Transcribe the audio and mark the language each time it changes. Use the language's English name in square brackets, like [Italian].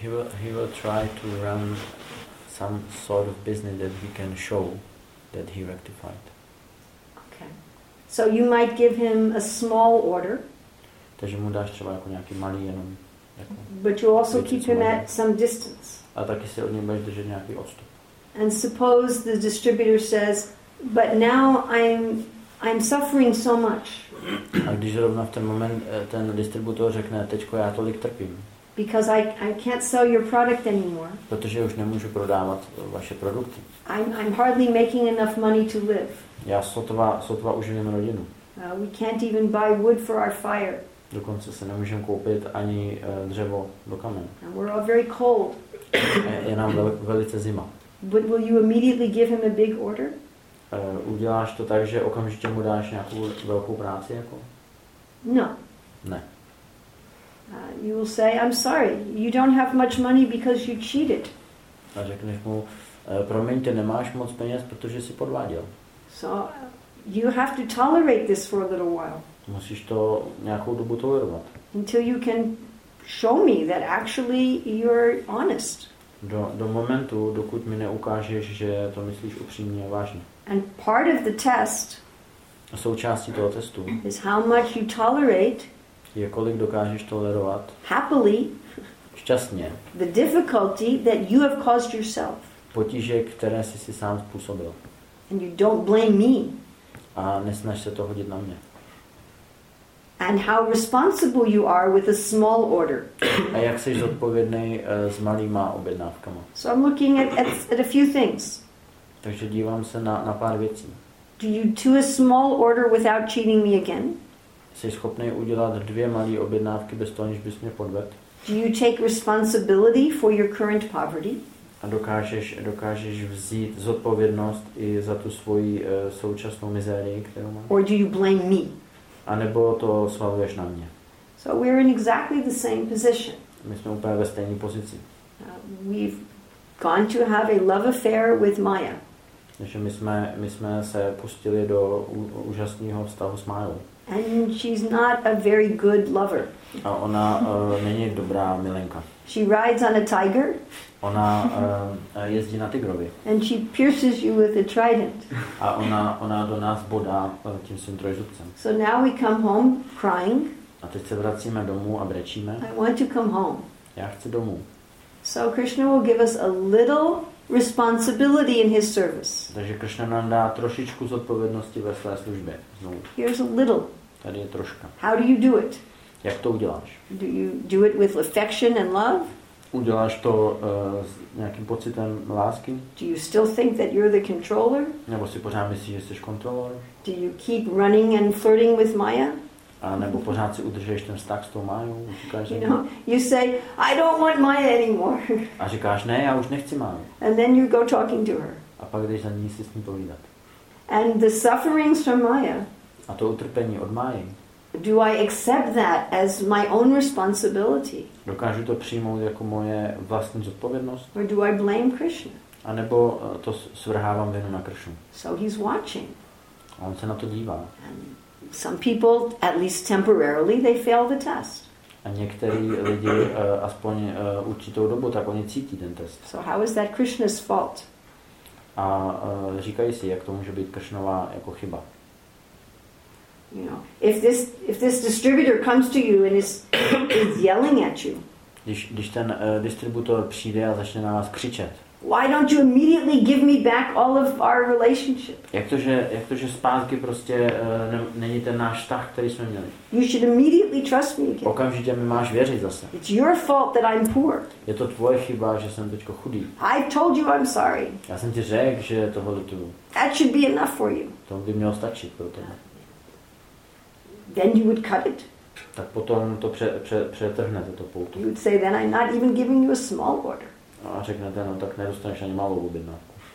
[English] He will try to run some sort of business that he can show that he rectified. Okay. So you might give him a small order. [Czech] Takže mu dáš třeba jako nějaký malý jenom. Jako [English] but you also keep him at some distance. [Czech] a taky si od něj budeš držet nějaký odstup. [English] And suppose the distributor says, but now I'm suffering so much. [Czech] A když zrovna v ten moment ten distributor řekne, teďko já tolik trpím. [English] Because I can't sell your product anymore. [Czech] Protože už nemůžu prodávat vaše produkty. [English] I'm hardly making enough money to live. [Czech] Já sotva uživím rodinu. [English] We can't even buy wood for our fire. [Czech] Dokonce se nemůžeme koupit ani dřevo do kamene. [English] And we're all very cold. [Czech] Je nám velice zima. [English] But will you immediately give him a big order? [Czech] Uděláš to tak, že okamžitě mu dáš nějakou velkou práci jako? [English] No. [Czech] Ne. [English] You will say, I'm sorry, you don't have much money because you cheated. [Czech] A řekneš mu, promiň, ty nemáš moc peněz, protože jsi podváděl. [English] So, you have to tolerate this for a little while. [Czech] Musíš to nějakou dobu tolerovat. [English] Until you can show me that actually you're honest. [Czech] Do momentu, dokud mi neukážeš, že to myslíš upřímně a vážně. [English] And part of the test, [Czech] a součástí toho testu, [English] is how much you tolerate, [Czech] je kolik dokážeš tolerovat, [English] happily, [Czech] šťastně, [English] the difficulty that you have caused yourself. [Czech] Potíže, které jsi si sám způsobil. [English] And you don't blame me. [Czech] A nesnaž se to hodit na mě. [English] And how responsible you are with a small order. [Czech] A jak jsi zodpovědný s malýma objednávkama. [English] So I'm looking at a few things. [Czech] Takže dívám se na pár věcí. [English] Do you do a small order without cheating me again? [Czech] Jsi schopný udělat dvě malé objednávky bez toho, aniž bys mě podvedl? [English] Do you take responsibility for your current poverty? [Czech] A dokážeš vzít zodpovědnost i za tu svoji současnou mizérii, kterou máš? [English] Or do you blame me? [Czech] A nebo to svaluješ na mě? [English] So we're in exactly the same position. [Czech] My jsme úplně ve stejné pozici. [English] Gone to have a love affair with Maya. [Czech] Takže my jsme se pustili do úžasného vztahu s Majou. [English] And she's not a very good lover. [Czech] A ona není dobrá milenka. [English] She rides on a tiger. [Czech] Ona jezdí na tygrovi. [English] And she pierces you with a trident. [Czech] A ona do nás bodá tím svým trojzubcem. [English] So now we come home crying. [Czech] A teď se vracíme domů a brečíme. [English] I want to come home. [Czech] Já chci domů. [English] So Krishna will give us a little responsibility in his service. [Czech] Takže Krishna nám dá trošičku zodpovědnosti ve své službě. Znovu. [English] Here's a little. [Czech] Tady je troška. [English] How do you do it? [Czech] Jak to uděláš? [English] Do you do it with affection and love? [Czech] Uděláš to s nějakým pocitem lásky? [English] Do you still think that you're the controller? [Czech] Nebo si pořád myslíš, že jsi kontrolor? [English] Do you keep running and flirting with Maya? [Czech] A nebo pořád si udržuješ ten vztah s tou Majou? Říkáš, [English] you know, you say, I don't want Maya anymore. [Czech] A říkáš, ne, já už nechci Maju. [English] And then you go talking to her. [Czech] A pak jdeš za ní si s ní povídat. [English] And the sufferings from Maya. [Czech] A to utrpení od Maji. [English] Do I accept that as my own responsibility? [Czech] Dokážu to přijmout jako moje vlastní zodpovědnost? [English] Or do I blame Krishna? [Czech] A nebo to svrhávám vinu na Krishnu? [English] So he's watching. [Czech] A on se na to dívá. [English] Some people, at least temporarily, they fail the test. [Czech] A některý lidi aspoň určitou dobu, tak oni cítí ten test. [English] So how is that Krishna's fault? [Czech] A říkají si, jak to může být Krishnova jako chyba. [English] You know, if this distributor comes to you and is yelling at you. [Czech] Když ten distributor přijde a začne na vás křičet. [English] Why don't you immediately give me back all of our relationship? [Czech] Jak to, že zpátky prostě není ten náš vztah, který jsme měli. [English] You should immediately trust me again. [Czech] Okamžitě mi máš věřit zase. [English] It's your fault that I'm poor. [Czech] Je to tvoje chyba, že jsem teďko chudý. [English] I told you I'm sorry. [Czech] Já jsem ti řekl, že toho lituju. [English] That should be enough for you. [Czech] To by mělo stačit pro tebe. [English] Then you would cut it. [Czech] Tak potom to přetrhnete to pouto. [English] You'd say then I'm not even giving you a small order. [Czech] A řeknete, no tak nedostaneš ani malou objednávku.